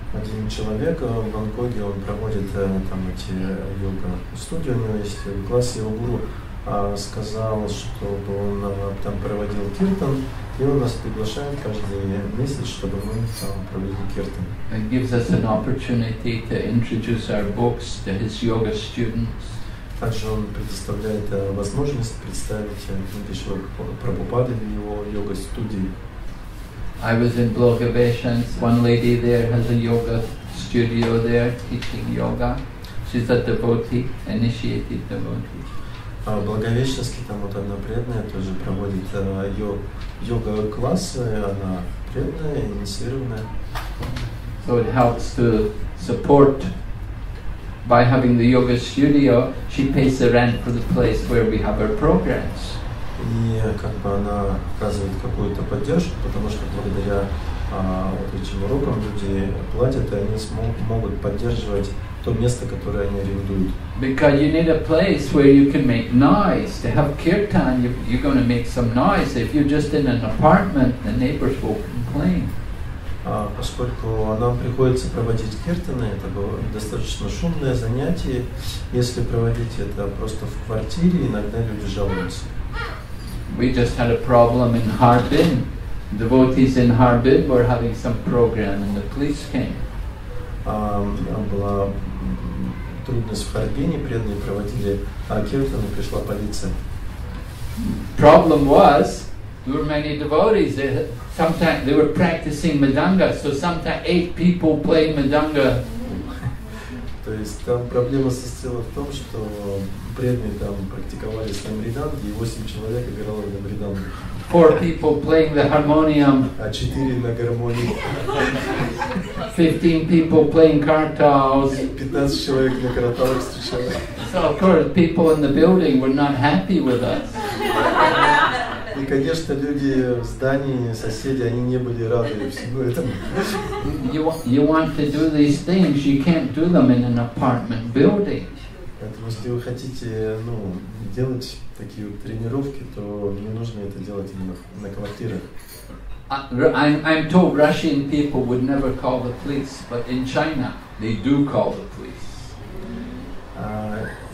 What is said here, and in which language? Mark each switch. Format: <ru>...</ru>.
<ru>Один человек в Бангкоке, он проводит там эти йога-студии, у него есть класс, его гуру сказал, чтобы он там проводил киртан, и он нас приглашает каждый месяц, чтобы мы там провели киртан.</ru> <en>It gives us an opportunity to introduce our books to his yoga students.</en> <ru>Также он предоставляет возможность представить Видишева Прабхупады в его йога-студии.</ru> <en>I was in Blagoveshchen. One lady there has a yoga studio there, teaching yoga. She's a devotee, initiated devotee.</en> <ru>В Благовещенске там вот одна преданная тоже проводит йога-классы, она преданная, инициированная.</ru> <en>So it helps to support. By having the yoga studio, she pays the rent for the place where we have our programs.</en> <ru>И как бы она оказывает какую-то поддержку, потому что благодаря вот этим урокам люди платят, и они могут поддерживать то место, которое они арендуют.</ru> <en>Because you need a place where you can make noise. To have kirtan, you're going to make some noise. If you're just in an apartment, the neighbors will complain.</en> <ru>Поскольку нам приходится проводить киртаны, это достаточно шумное занятие. Если проводить это просто в квартире, иногда люди жалуются.</ru> <en>We just had a problem in Harbin. Devotees in Harbin were having some program and the police came.</en> <ru>Была трудность в Харбине, преданные проводили киртаны, пришла полиция.</ru> <en>Problem was, there were many devotees. Sometimes they were practicing madanga, so sometimes 8 people play madanga.</en> <ru>То есть там проблема состояла в том, что преданные там практиковали сам риданг, и 8 человек играло на риданге.</ru> <en>4 people playing the harmonium.</en> <ru>А 4 на гармонии.</ru> <en>15 people playing kartals.</en> <ru>15 человек на карталах встречали.</ru> <en>So of course, people in the building were not happy with us.</en> <ru>И, конечно, люди в здании, соседи, они не были рады всему этому.</ru> <en>You want to do these things, you can't do them in an apartment building.</en> <ru>Поэтому, если вы хотите, ну, делать такие тренировки, то не нужно это делать именно на квартирах.</ru> <en>I'm told Russian people would never call the police, but in China they do call the police.</en>